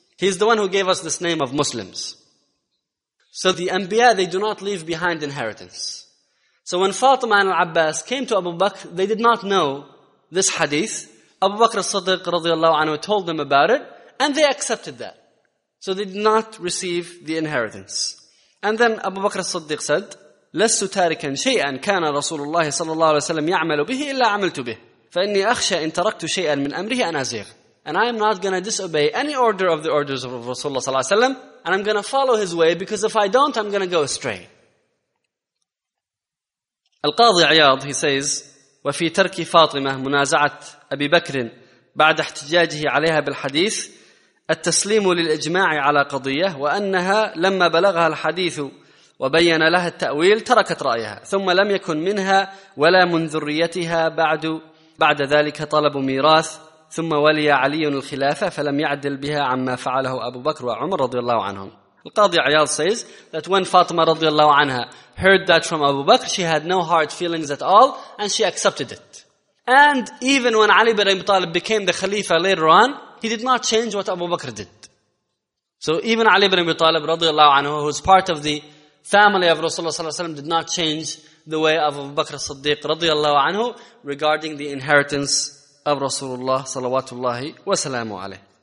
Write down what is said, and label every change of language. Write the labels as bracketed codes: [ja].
[en] He is the one who gave us this name of Muslims. So the Anbiya, they do not leave behind inheritance. So when Fatima and al-Abbas came to Abu Bakr, they did not know this hadith. Abu Bakr as-Siddiq radiallahu anhu told them about it, and they accepted that. So they did not receive the inheritance. And then Abu Bakr as-Siddiq said, [ar] لَسُّ تَارِكًا شَيْئًا كَانَ رَسُولُ اللَّهِ صَلَّى اللَّهُ عَلَيْهِ وَسَلَّمْ يَعْمَلُ بِهِ إِلَّا عَمِلْتُ بِهِ فَإِنِّي أَخْشَى إِنْ تَرَكْتُ شَيْئًا مِنْ أَمْرِهِ أَنْ أَزِيغَ. [en] And I am not going to disobey any order of the orders of Rasulullah sallallahu alaihi wasallam, and I'm going to follow his way, because if I don't, I'm going to go astray. Al-Qadhi Iyad, he says, [ar] وفي ترك فاطمة منازعة أبي بكر بعد احتجاجه عليها بالحديث التسليم للإجماع على قضية وأنها لما بلغها الحديث وبين لها التأويل تركت رأيها ثم لم يكن منها ولا من ذريتها بعد ذلك طلب ميراث ثم ولي علي الخلافة فلم يعدل بها عما فعله أبو بكر وعمر رضي الله عنهم. [en] Al-Qadhi Iyad says that when Fatima radiallahu anha heard that from Abu Bakr, she had no hard feelings at all, and she accepted it. And even when Ali ibn Abi Talib became the Khalifa later on, he did not change what Abu Bakr did. So even Ali ibn Abi Talib radiallahu anhu, who's part of the family of Rasulullah sallallahu alaihi wasallam, did not change the way of Abu Bakr as-Siddiq radiallahu anhu regarding the inheritance of Rasulullah salawatullahi wa salamu alayhi.